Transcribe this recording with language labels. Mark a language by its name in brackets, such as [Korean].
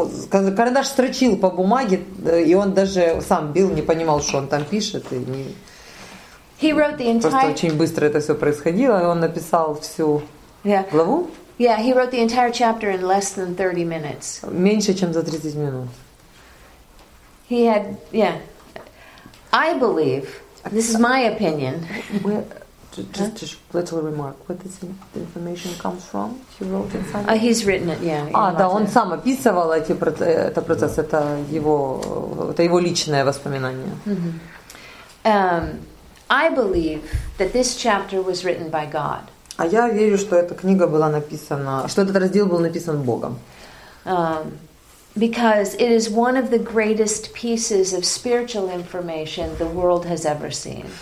[Russian] Карандаш строчил по бумаге, и он даже сам бил, не понимал, что он там пишет. И не... [English] He wrote the entire... [Russian] Просто очень быстро это все происходило, и он написал всю главу. [English] Yeah, he wrote the entire chapter in less than 30 minutes. [Russian] Меньше, чем за 30 минут. [English] He had, yeah. I believe, this is my opinion. Just a little remark. Where does the information come from? He wrote it. He's written it, yeah. [Russian] А, да, он сам описывал эти процессы. [English] Yeah. [Russian] Это его личное воспоминание. Mm-hmm. [English] I believe that this chapter was written by God. [Russian] А я верю, что эта книга была написана, что этот раздел был написан Богом. [English] Because it is one of the greatest pieces of spiritual information the world has ever seen.